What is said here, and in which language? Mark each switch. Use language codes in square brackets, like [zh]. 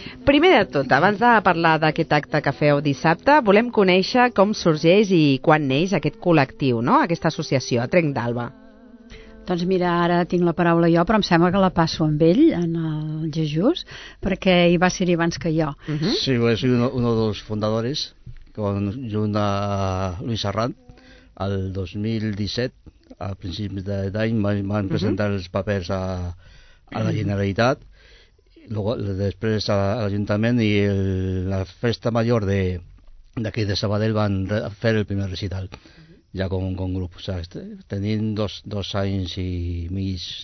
[ca] Primer de tot, abans de parlar d'aquest acte que feu dissabte, volem conèixer com sorgeix i quan neix aquest col·lectiu, no? Aquesta associació, A Trenc d'Alba. Doncs mira, ara tinc la paraula jo, però em sembla que la passo amb ell, en el Jesús, perquè hi va ser abans que jo. Uh-huh. [es] Sí, soy uno de los fundadores, junto a Luis Serrat. [ca] El 2017, a principis d'any, van presentar els papers a la Generalitat, després a l'Ajuntament, i la festa major d'aquí de Sabadell van fer el primer recital, ja com grup. O sigui, tenim dos anys i mig,